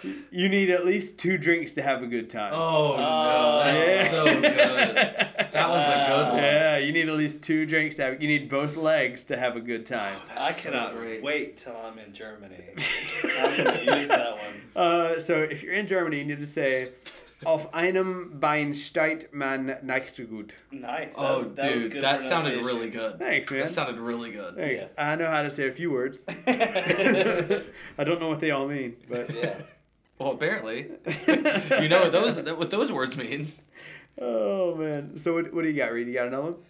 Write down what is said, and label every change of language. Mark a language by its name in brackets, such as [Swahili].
[English] You need at least two drinks to have a good time. Oh, no. That's so good. That one's a good one. Yeah, you need at least two drinks to have... You need both legs to have a good time. Oh, I cannot wait till I'm in Germany. I'm going to use that one. So if you're in Germany, you need to say... [German] Auf einem Bein steigt man nicht gut. [English] Nice. That sounded really good. Thanks, man. That sounded really good. Thanks. Yeah. I know how to say a few words. I don't know what they all mean, but yeah. Well, apparently, you know what those words mean. Oh man. So what do you got, Reed? You got another one?